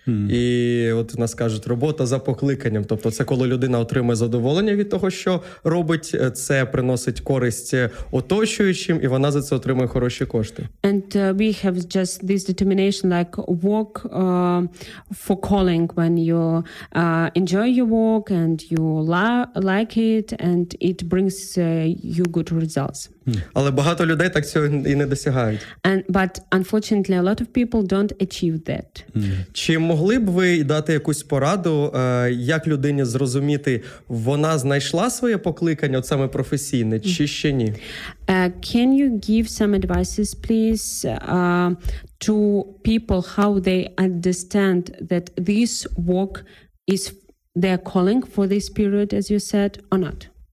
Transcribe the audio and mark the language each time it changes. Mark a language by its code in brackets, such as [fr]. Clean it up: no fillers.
[uk] І от у нас кажуть, робота за покликанням. Тобто це коли людина отримує задоволення від того, що робить, це приносить користь оточуючим, і вона за це отримує хороші кошти. [en] And we have just this determination, like work for calling, when you enjoy your work, and you like it, and it brings you good results. [uk] Але багато людей так цього і не досягають. [en] But unfortunately, a lot of people don't achieve that. [uk] Чи могли б ви дати якусь пораду, як людині зрозуміти, вона знайшла своє покликання, от саме професійне, чи ще ні? [en] Can you give some advices, please, to people, how they understand that this work is their calling for this period, as you said, or not?